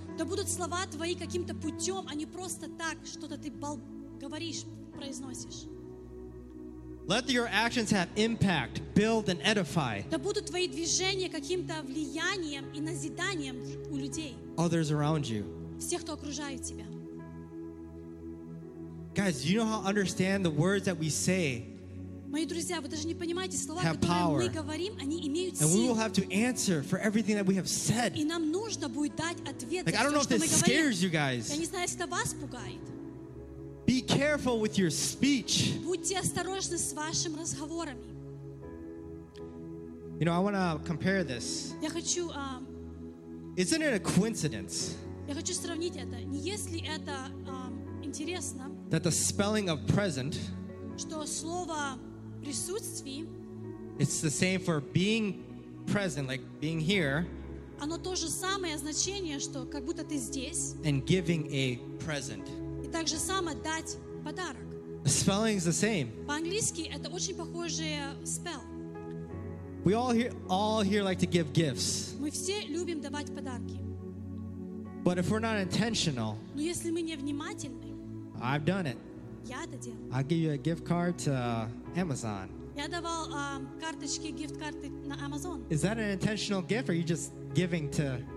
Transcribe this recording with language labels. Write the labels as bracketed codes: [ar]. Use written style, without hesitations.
[ru] Да будут слова твои каким-то путем, а не просто так, что-то ты говоришь, произносишь. Да будут твои движения каким-то влиянием и назиданием у людей. [en] Others around you. [ru] Всех, кто окружает тебя. [en] Guys, you know how understand the words that we say. [ru] Мои друзья, вы даже не понимаете, слова, которые мы говорим, они имеют силу. [en] And we will have to answer for everything that we have said. [ru] И нам нужно будет дать ответ. [en] Like, I don't know if this scares you guys. [ru] Я не знаю, если это вас пугает. [en] Be careful with your speech. [ru] Будьте осторожны с вашими разговорами. [en] You know, I want to compare this. [ru] Я хочу, [en] Isn't it a coincidence? [ru] Я хочу сравнить это. Не если это интересно. [en] That the spelling of present. [ru] Что слово присутствие. [en] It's the same for being present, like being here. [ru] Оно то же самое значение, что как будто ты здесь. [en] And giving a present. [ru] И также само дать подарок. [en] The spelling is the same. [ru] По-английски это очень похожее spell. [en] We all here like to give gifts. [ru] Мы все любим давать подарки. [en] But if we're not intentional. [ru] Но если мы не внимательны. [en] I've done it. I'll give you a gift card to Amazon. [ru] Я давал карточки, гифт-карты на Amazon. [en] Is that an intentional gift, or are you just giving to